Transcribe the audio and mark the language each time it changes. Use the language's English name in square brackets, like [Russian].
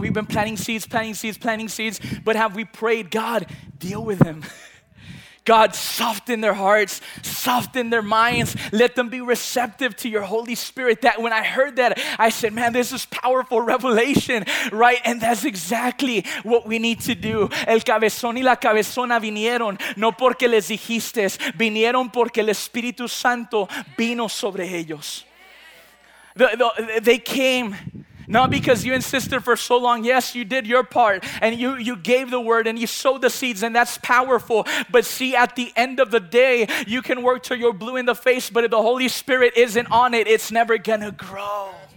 [English] We've been planting seeds, but have we prayed, God, deal with them. God, soften their hearts, soften their minds. Let them be receptive to your Holy Spirit. That when I heard that, I said, man, this is powerful revelation, right? And that's exactly what we need to do. [Spanish] El cabezón y la cabezona vinieron, no porque les dijiste, vinieron porque el Espíritu Santo vino sobre ellos. [English] They came. Not because you insisted for so long. Yes, you did your part and you gave the word and you sowed the seeds and that's powerful. But see, at the end of the day, you can work till you're blue in the face, but if the Holy Spirit isn't on it, it's never gonna grow.